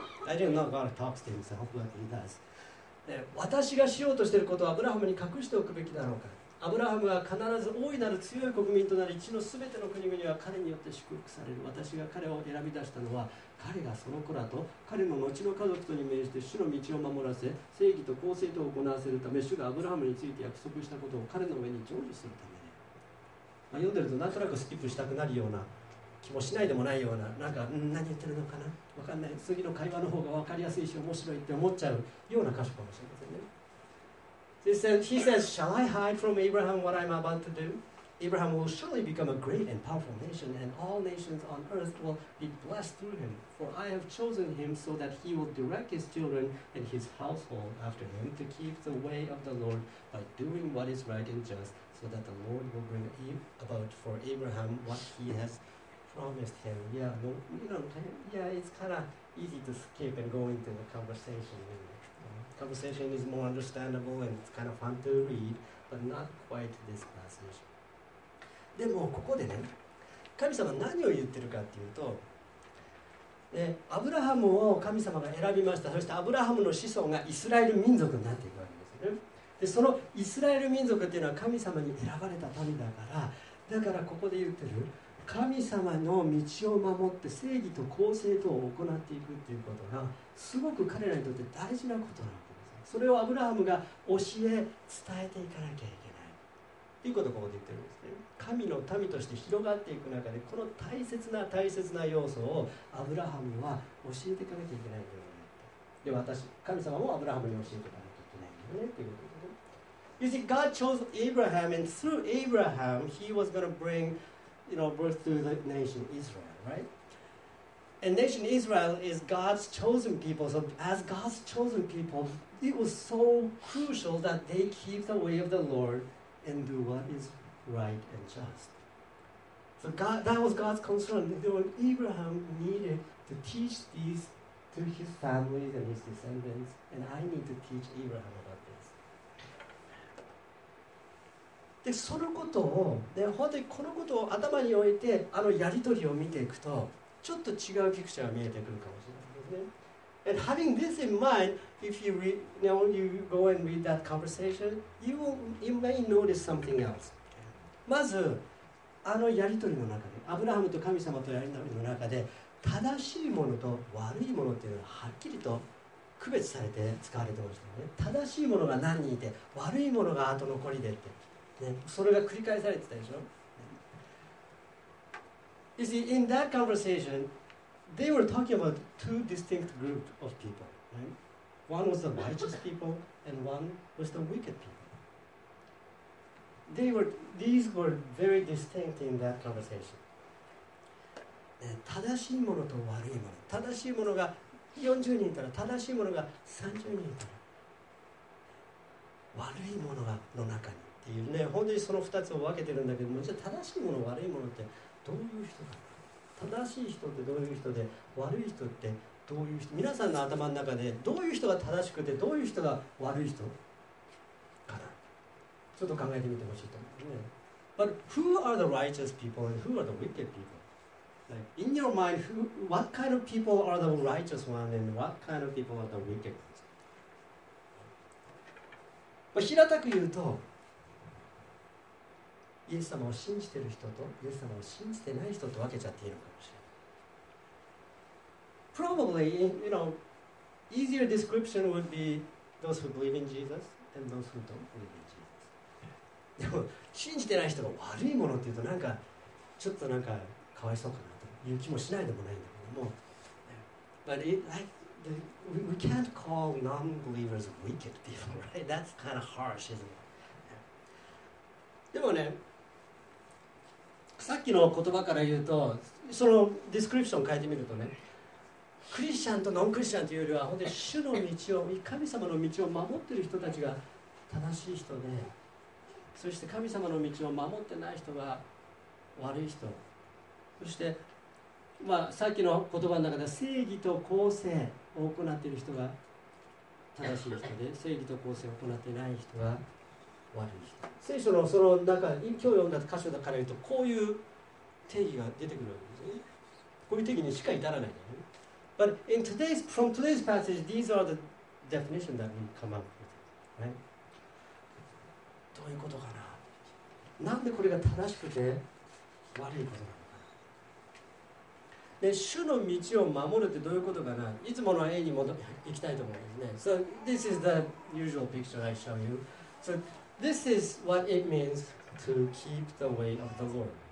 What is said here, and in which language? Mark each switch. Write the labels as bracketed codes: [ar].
[en] I don't know God talks to himself but he does [ja] 私がしようとしていることをアブラハムに隠しておくべきだろうかアブラハムは必ず大いなる強い国民となり地のすべての国々は彼によって祝福される私が彼を選び出したのは彼がその子らと彼の後の家族とに命じて主の道を守らせ正義と公正とを行わせるため主がアブラハムについて約束したことを彼の上に成就するため、ねまあ、読んでるとなんとなくスキップしたくなるような気もしないでもないようななんか何言ってるのかな分かんない次の会話の方が分かりやすいし面白いって思っちゃうような箇所かもしれませんね [en] He says, shall I hide from Abraham what I'm about to do? Abraham will surely become a great and powerful nation, and all nations on earth will be blessed through him. For I have chosen him so that he will direct his children and his household after him to keep the way of the Lord by doing what is right and just, so that the Lord will bring about for Abraham what he has promised him. Yeah, no, you know, yeah, it's kind of easy to skip and go into the conversation, isn't it? Conversation is more understandable and it's kind of fun to read, but not quite this passage. [ja] でもここでね、神様何を言ってるかっていうと、アブラハムを神様が選びました。そしてアブラハムの子孫がイスラエル民族になっていくわけですよね。で、そのイスラエル民族っていうのは神様に選ばれた民だから、だからここで言ってる、神様の道を守って正義と公正とを行っていくっていうことがすごく彼らにとって大事なことなんです。それをアブラハムが教え伝えていかなきゃいけないっていうことをここで言ってるんですね。神の民として広がっていく中でこの大切な大切な要素をアブラハムは教えていかなきゃいけないんだよねって。で、私、神様もアブラハムに教えていかなきゃいけないんだよねっていうことですね。 [en] You see, God chose Abraham and through Abraham, he was going to bringYou know, birth through the nation Israel, right? And nation Israel is God's chosen people. So, as God's chosen people, it was so crucial that they keep the way of the Lord and do what is right and just. So, God, that was God's concern. Abraham needed to teach these to his family and his descendants, and I need to teach Abraham. [ja] でそのことをで本当にこのことを頭に置いてあのやり取りを見ていくとちょっと違うピクチャーが見えてくるかもしれないですね。 [en] And having this in mind, if you read, now you go and read that conversation, you may notice something else. [ja] まずあのやり取りの中でアブラハムと神様とやり取りの中で正しいものと悪いものっていうのははっきりと区別されて使われてましたよね。正しいものが何人いて悪いものが後残りでって。 [en] You see, in that conversation, they were talking about two distinct groups of people, right? One was the righteous people, and one was the wicked people. These were very distinct in that conversation. [ja] 正しいものと悪いもの、正しいものが40人いたら、正しいものが30人いたら、悪いものがの中にっていうね、本当にその2つを分けてるんだけども、じゃあ正しいもの、悪いものってどういう人か、正しい人ってどういう人で、悪い人ってどういう人、皆さんの頭の中でどういう人が正しくて、どういう人が悪い人かな、ちょっと考えてみてほしいと思うね。 [en] But who are the righteous people and who are the wicked people? Like, in your mind, what kind of people are the righteous ones and what kind of people are the wicked ones? [ja] まあ、平たく言うと、イエス様を信じてる人とイエス様を信じてない人と分けちゃっていいのかもしれない。 [en] Probably, you know, easier description would be those who believe in Jesus and those who don't believe in Jesus. [ja] でも、信じてない人が悪いものっていうと、なんか、ちょっとなんか、かわいそうかな。勇気もしないでもないんだけども、 [en] but it, like, the, we can't call non-believers wicked people, right? That's kind of harsh, isn't it? [ja] でもね、さっきの言葉から言うと、そのディスクリプションを変えてみるとね、クリスチャンとノンクリスチャンというよりは、本当に主の道を、神様の道を守っている人たちが正しい人で、そして神様の道を守ってない人が悪い人、そしてまあ、さっきの言葉の中で正義と公正を行っている人が正しい人で、正義と公正を行っていない人が悪い人。聖書のその中、今日読んだ箇所だから言うと、こういう定義が出てくるわけですね。こういう定義にしか至らないんだよね。 [en] But in today's, from today's passage, these are the definitions that we come up with, right? [ja] どういうことかな？なんでこれが正しくて悪いことなの？で主の道を守るってどういうことかな、いつもの絵に戻行きたいと思うんですね。 [en] So this is the usual picture I show you. So this is what it means to keep the way of the Lord.